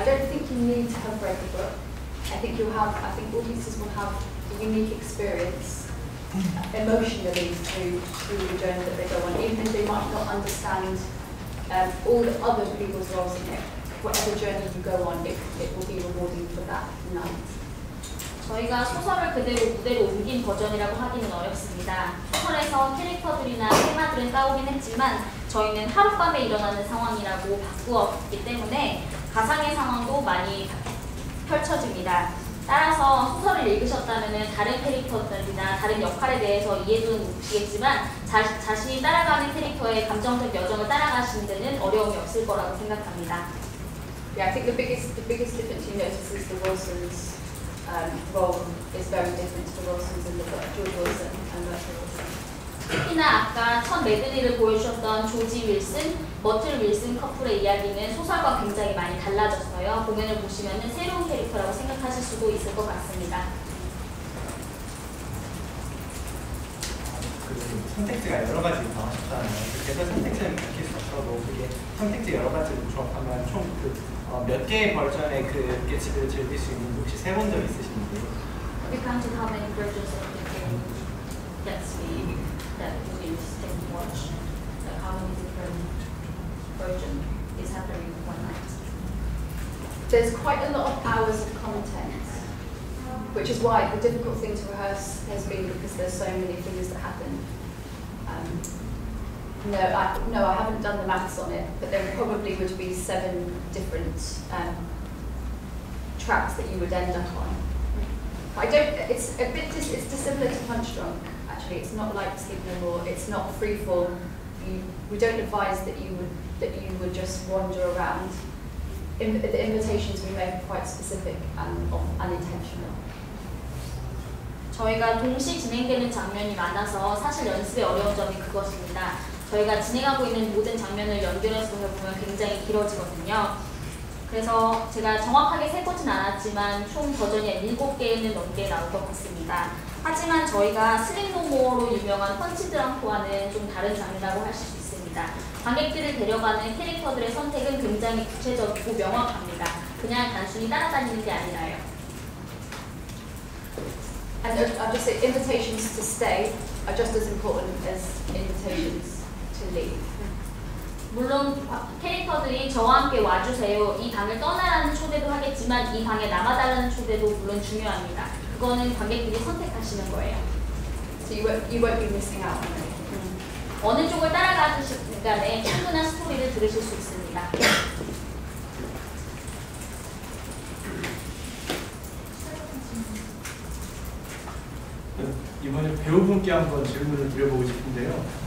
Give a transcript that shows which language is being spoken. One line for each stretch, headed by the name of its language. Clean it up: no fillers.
English: I don't think you need to have read the book. I think audiences will have a unique experience emotionally through the journey that they go on, even if they might not understand all the other people's roles in it. Whatever journey you go on, it will be rewarding for that night.
Korean: 저희가 소설을 그대로 무대로 옮긴 버전이라고 하기는 어렵습니다. 소설에서 캐릭터들이나 테마들은 따오긴 했지만 저희는 하룻밤에 일어나는 상황이라고 바꾸었기 때문에 가상의 상황도 많이 펼쳐집니다. 따라서 소설을 읽으셨다면 다른 캐릭터들이나 다른 역할에 대해서 이해도는 높이겠지만 자신이 따라가는 캐릭터의 감정적 여정을 따라가시는 데는 어려움이 없을 거라고 생각합니다.
English: Yeah, I think the biggest difference you notice is the Wilsons role is very different to the Wilsons in the book, George Wilson and Mercer Wilson.
Korean: 특히나 아까 첫 메들리를 보여주셨던 조지 윌슨, 머틀 윌슨 커플의 이야기는 소설과 굉장히 많이 달라졌어요. 공연을 보시면 새로운 캐릭터라고 생각하실 수도 있을 것 같습니다. 그 선택지가 여러 가지 나왔었잖아요. 그래서 선택지를 바뀔 수 없어도 그게 선택지 여러 가지로 조합하면 총 그 몇 개의 버전의 그 스케치를 즐길 수 있는 혹시 세 번 더 있으신지요?
English: We count to how many versions of the game that we that you can watch. Like how many different versions is happening one night? There's quite a lot of hours of content, which is why the difficult thing to rehearse has been because there's so many things that happen. No, I haven't done the maths on it, but there probably would be seven different tracks that you would end up on. It's dissimilar to Punch Drunk, actually. It's not like Sleep No More, it's not freeform. We don't advise that you would just wander around. The invitations we make are quite specific and unintentional.
Korean: 저희가 동시 진행되는 장면이 많아서 사실 연습의 어려운 점이 그것입니다. 저희가 진행하고 있는 모든 장면을 연결해서 보면 굉장히 길어지거든요. 그래서 제가 정확하게 세보진 않았지만 총 버전이 7개는 넘게 나올 것 같습니다. 하지만 저희가 슬링노모어로 유명한 펀치드랑코와는 좀 다른 장면이라고 하실 수 있습니다. 관객들을 데려가는 캐릭터들의 선택은 굉장히 구체적이고 명확합니다. 그냥 단순히 따라다니는 게 아니라요.
English: And I'll just say invitations to stay are just as important as invitations. to leave.
Korean: 물론 캐릭터들이 저와 함께 와주세요. 이 방을 떠나라는 초대도 하겠지만 이 방에 남아달라는 초대도 물론 중요합니다. 그거는 관객들이 선택하시는 거예요.
English: So you won't be missing out on it.
Korean: 어느 쪽을 따라가시든 간에 충분한 스토리를 들으실 수 있습니다. (웃음) 이번에 배우분께 한번 질문을 드려보고 싶은데요.